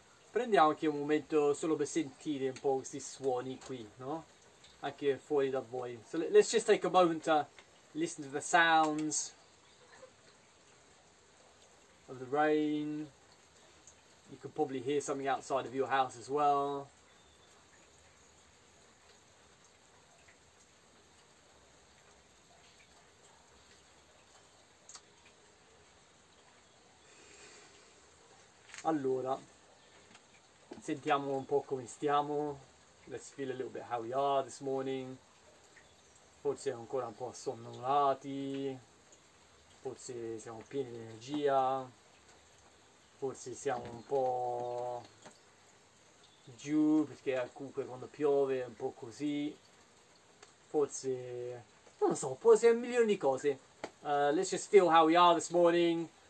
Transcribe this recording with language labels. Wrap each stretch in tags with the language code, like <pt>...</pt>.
<it>Prendiamo anche un momento solo per sentire un po' questi suoni qui, no? Anche fuori da voi.</it> <en>So let's just take a moment to listen to the sounds of the rain. You could probably hear something outside of your house as well.</en> <it>Allora, sentiamo un po' come stiamo.</it> <en>Let's feel a little bit how we are this morning.</en> <it>Forse ancora un po' sonnolati. Forse siamo pieni di energia. Forse siamo un po' giù perché comunque quando piove è un po' così. Forse, non lo so, forse è un milione di cose.</it> <en>Let's just feel how we are this morning.</en>